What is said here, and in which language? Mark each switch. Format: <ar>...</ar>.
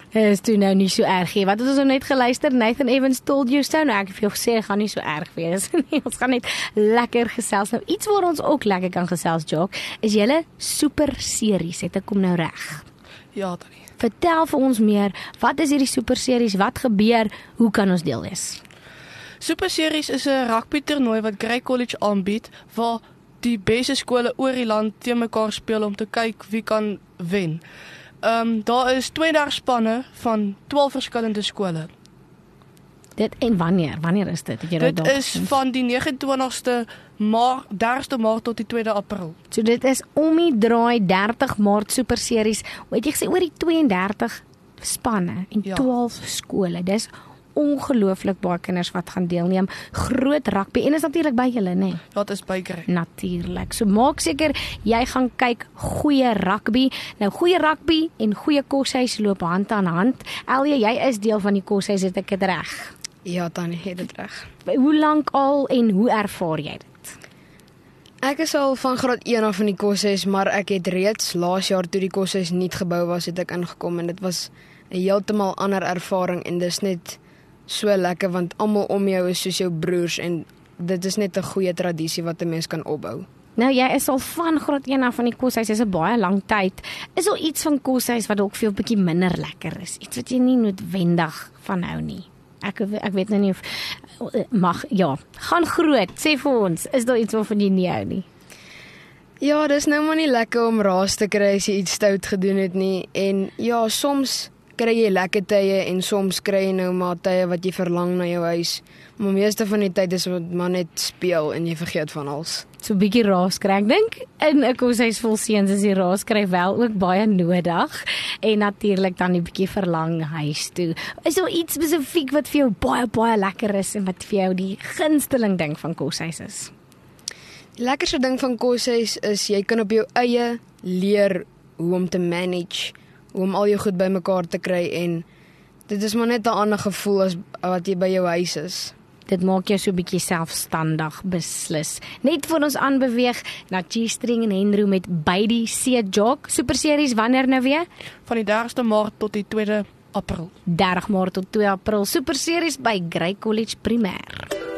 <af>Het is toe nou nie so erg nie. Wat het ons nou net geluister?</af> <en>Nathan Evans told you so.</en> <af>Nou, ek het vir jou gesê, gaan nie so erg wees. Ons gaan net lekker gesels. Nou, iets waar ons ook lekker kan gesels, Jock, is jylle super series. Het ek kom nou reg? Ja, Tony. Vertel vir ons meer, wat is hierdie superseries, wat gebeur, hoe kan ons deel wees? Superseries is 'n rugby toernooi wat Grey College aanbied, waar die beste skole oor die land teen mekaar speel om te kyk wie kan wen. Daar is 32 spanne van 12 verskillende skole. Dit en wanneer? Wanneer is dit? Dit is van die 29ste maart, 30ste maart tot die 2de april. So dit is om die draai 30 maart superseries. Het jy gesê oor die 32 spanne en 12 skole. Dis ongelooflik baie kinders wat gaan deelneem. Groot rugby en is natuurlik by julle, nê? Dat is by Grey. Natuurlik. So maak seker jy gaan kyk goeie rugby. Nou goeie rugby en goeie koshuis loop hand aan hand. Elia, jy is deel van die koshuis, het ek dit reg? Ja, Tani, het dit reg. Hoe lank al en hoe ervaar jy dit? Ek is al van graad 1 af in die koshuis, maar ek het reeds laas jaar toe die koshuis nie gebou was, het ek ingekom en dit was 'n heeltemal ander ervaring en dis net so lekker, want allemaal om jou is soos jou broers en dit is net 'n goeie traditie wat 'n mens kan opbou. Nou, jy is al van graad 1 af van die koshuis, is 'n baie lang tyd. Is al iets van koshuis wat ook veel bietjie minder lekker is? Iets wat jy nie noodwendig van hou nie? Ek weet nou nie of, mag, ja, gaan groot, sê vir ons, is daar iets wat van jy nie hou nie? Ja, dis nou maar nie lekker om raas te kry as jy iets stout gedoen het nie, en ja, soms kry jy lekker tye, en soms kry jy nou maar tye wat jy verlang na jou huis, maar meeste van die tyd is wat man net speel, en jy vergeet van alles. So bietjie raas kry, ek dink, en ek hoes huis vol seens, is die raas kry wel ook baie nodig, en natuurlik dan die bietjie verlang huis toe. Is daar iets spesifiek wat vir jou baie, baie lekker is, en wat vir jou die gunsteling ding van koshuis is? Die lekkerste ding van koshuis is, jy kan op jou eie leer hoe om te manage, hoe om al jou goed by mekaar te kry, en dit is maar net 'n ander gevoel as wat jy by jou huis is. Dit maak jou so bietjie selfstandig beslis. Net voor ons aanbeweeg na G-String en Henry met By die See Jog. Superseries, wanneer nou weer? Van die 30ste maart tot die 2de april. 30 maart tot 2 april. Superseries by Grey College Primair.</af>